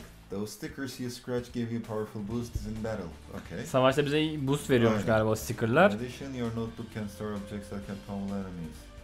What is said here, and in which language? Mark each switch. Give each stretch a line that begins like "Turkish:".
English: Those stickers you scratch give you powerful boosts in battle. Okay.
Turkish: Savaşta bize boost veriyormuş aynen galiba o stickerlar.
English: In addition, your notebook can store objects that can pummel enemies.